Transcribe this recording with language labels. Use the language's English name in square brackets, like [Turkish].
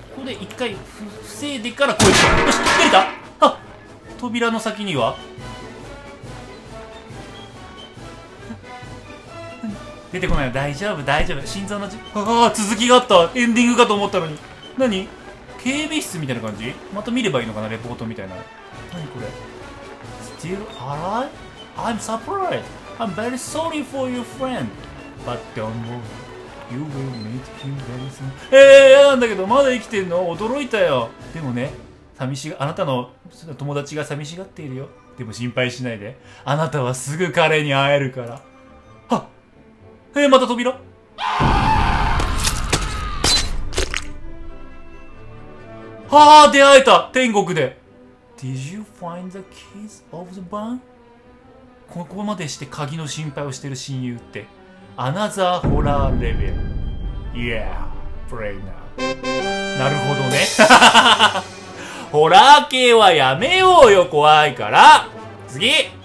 [Japanese] ここで一回防いでから来い。よし、出れた。あ、扉の先にはてこないよ。大丈夫大丈夫、心臓の、ああ、続きがあった、エンディングかと思ったのに。何、警備室みたいな感じ。また見ればいいのかな、レポートみたいな。何これ、 [English] Still alive? I'm surprised. I'm very sorry for your friend, but don't worry, you will meet him very soon. [Japanese] やなんだけど、まだ生きてんの、驚いたよ。でもね、寂しが、あなたの友達が寂しがっているよ。でも心配しないで、あなたはすぐ彼に会えるから。また扉？はぁ、出会えた、天国で。 [English] Did you find the keys of the barn? [Japanese] ここまでして鍵の心配をしてる親友って、アナザーホラーレベル。 [English] Yeah, play now. [Japanese] なるほどね。ホラー系はやめようよ、怖いから。次！